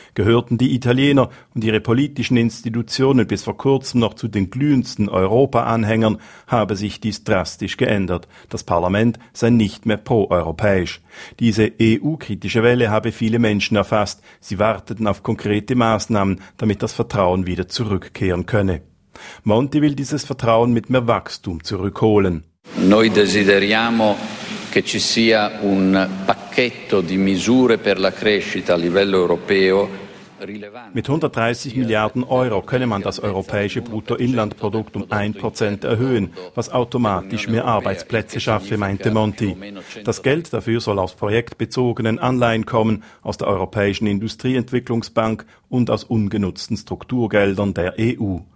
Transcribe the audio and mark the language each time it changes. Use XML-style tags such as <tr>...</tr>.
<de>Gehörten die Italiener und ihre politischen Institutionen bis vor kurzem noch zu den glühendsten Europa-Anhängern, habe sich dies drastisch geändert. Das Parlament sei nicht mehr pro-europäisch. Diese EU-kritische Welle habe viele Menschen erfasst. Sie warteten auf konkrete Maßnahmen, damit das Vertrauen wieder zurückkehren könne. Monti will dieses Vertrauen mit mehr Wachstum zurückholen.</de> <it>Noi desideriamo che ci sia un pacchetto di misure per la crescita a livello europeo.</it> <de>Mit 130 Milliarden Euro könne man das europäische Bruttoinlandprodukt um 1% erhöhen, was automatisch mehr Arbeitsplätze schaffe, meinte Monti. Das Geld dafür soll aus projektbezogenen Anleihen kommen, aus der Europäischen Industrieentwicklungsbank und aus ungenutzten Strukturgeldern der EU.</de>